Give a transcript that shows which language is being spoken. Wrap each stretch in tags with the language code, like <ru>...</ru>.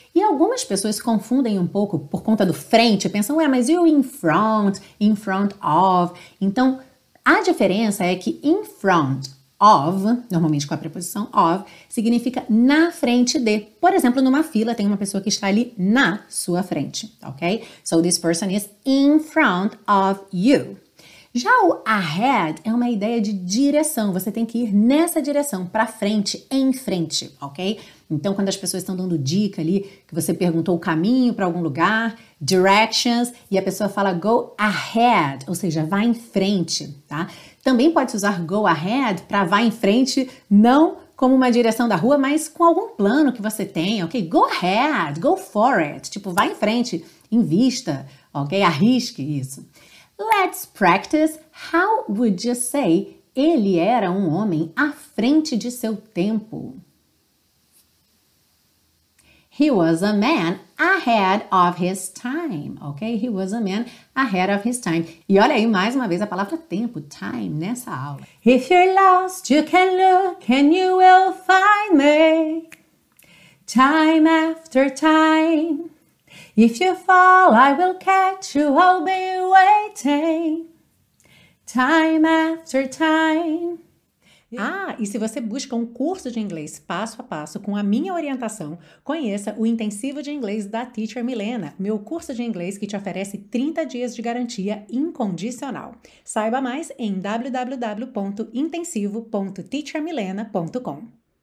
<pt>E algumas pessoas confundem um pouco por conta do frente, pensam, ué, mas e o in front of? Então, a diferença é que in front of, normalmente com a preposição of, significa na frente de. Por exemplo, numa fila tem uma pessoa que está ali na sua frente, ok?</pt> <en>So this person is in front of you.</en> <pt>Já o ahead é uma ideia de direção, você tem que ir nessa direção, para frente, em frente, ok? Então, quando as pessoas estão dando dica ali, que você perguntou o caminho para algum lugar, directions, e a pessoa fala go ahead, ou seja, vá em frente, tá? Também pode usar go ahead para vá em frente, não como uma direção da rua, mas com algum plano que você tenha, ok?</pt> <en>Go ahead, go for it,</en> <pt>tipo, vá em frente, invista, ok? Arrisque isso.</pt> <en>Let's practice. How would you say</en> <pt>ele era um homem à frente de seu tempo?</pt> <en>He was a man ahead of his time, ok? He was a man ahead of his time.</en> <pt>E olha aí mais uma vez a palavra tempo, time, nessa aula.</pt> <en>If you're lost, you can look and you will find me. Time after time. If you fall, I will catch you, I'll be waiting, time after time.</en> <pt>Ah, e se você busca um curso de inglês passo a passo com a minha orientação, conheça o Intensivo de Inglês da Teacher Milena, meu curso de inglês que te oferece 30 dias de garantia incondicional. Saiba mais em www.intensivo.teachermilena.com.</pt>